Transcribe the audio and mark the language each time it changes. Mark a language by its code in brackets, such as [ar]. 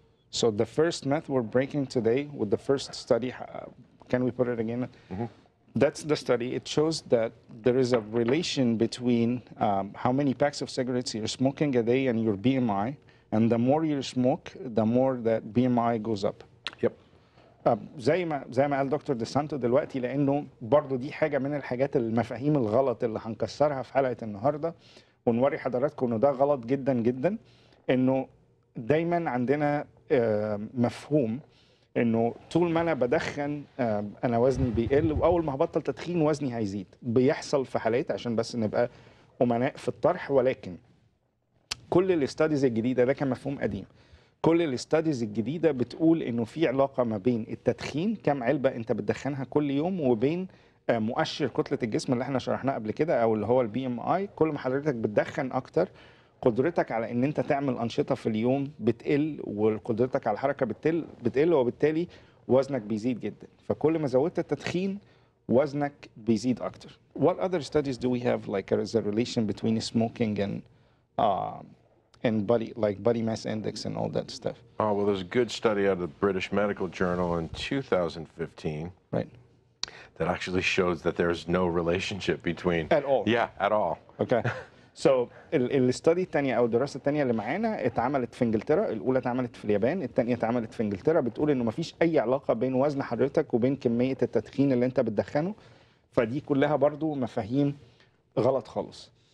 [en] So the first myth we're breaking today with the first study, can we put it again? Mm-hmm. That's the study. It shows that there is a relation between how many packs of cigarettes you're smoking a day and your BMI. And the more you smoke, the more that BMI goes up. [ar] زي ما قال دكتور ديسانتو دلوقتي، لانه برضو دي حاجه من الحاجات المفاهيم الغلط اللي هنكسرها في حلقه النهارده ونوري حضراتكم انه ده غلط جدا جدا. انه دايما عندنا مفهوم انه طول ما انا بدخن انا وزني بيقل، واول ما هبطل تدخين وزني هيزيد. بيحصل في حالات، عشان بس نبقى امناء في الطرح، ولكن كل الاستاديز الجديده، ده كان مفهوم قديم، كل الاستاديز الجديدة بتقول انه في علاقة ما بين التدخين، كم علبة انت بتدخنها كل يوم، وبين مؤشر كتلة الجسم اللي احنا شرحناه قبل كده او اللي هو البي ام اي. كل ما حضرتك بتدخن اكتر، قدرتك على ان انت تعمل انشطة في اليوم بتقل، وقدرتك على الحركة بتقل، وبالتالي وزنك بيزيد جدا. فكل ما زودت التدخين وزنك بيزيد اكتر. [en] What other studies do we have, like is there a relation between smoking and body, like body mass index and all that stuff? Oh, well, there's a good study out of the British Medical Journal in 2015. Right. That actually shows that there's no relationship between... At all. Yeah, at all. Okay. [ar] So, الستادي التانية أو الدراسة التانية اللي معانا اتعملت في انجلترا، الأولى اتعملت في اليابان، التانية اتعملت في انجلترا، بتقول إنه مفيش أي علاقة بين وزن حضرتك وبين كمية التدخين اللي أنت بتدخنه، فدي كلها برضو مفاهيم غلط خالص.